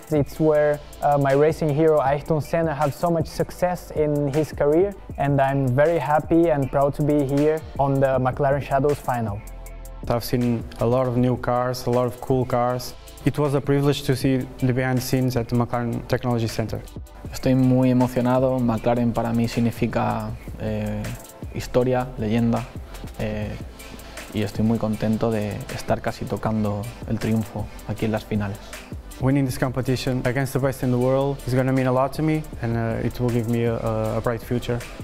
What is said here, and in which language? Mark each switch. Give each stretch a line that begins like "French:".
English: It's where my racing hero Ayrton Senna had so much success in his career, and I'm very happy and proud to be here on the McLaren Shadows final. I've seen a lot of new cars, a lot of cool cars. It was a privilege to see the behind the scenes at the McLaren Technology Center.
Spanish: Estoy muy emocionado. McLaren para mí significa historia, leyenda, y estoy muy contento de estar casi tocando el triunfo aquí en las finales.
English: Winning this competition against the best in the world is going to mean a lot to me, and it will give me a bright future.